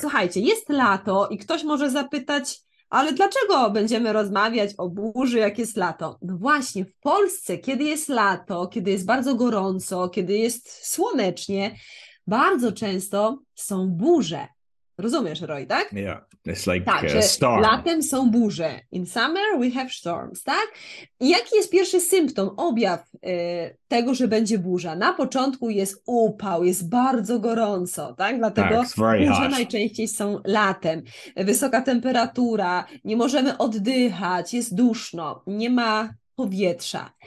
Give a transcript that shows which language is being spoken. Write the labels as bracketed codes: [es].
[pl] Słuchajcie, jest lato i ktoś może zapytać, ale dlaczego będziemy rozmawiać o burzy, jak jest lato? No właśnie, w Polsce, kiedy jest lato, kiedy jest bardzo gorąco, kiedy jest słonecznie, bardzo często są burze. Rozumiesz, Roy, tak? [en] Yeah, it's like [pl] tak, [en] a storm. [pl] Latem są burze. [en] In summer we have storms, [pl] tak? I jaki jest pierwszy symptom, objaw tego, że będzie burza? Na początku jest upał, jest bardzo gorąco, tak? Dlatego burze najczęściej są latem. Wysoka temperatura, nie możemy oddychać, jest duszno, nie ma powietrza.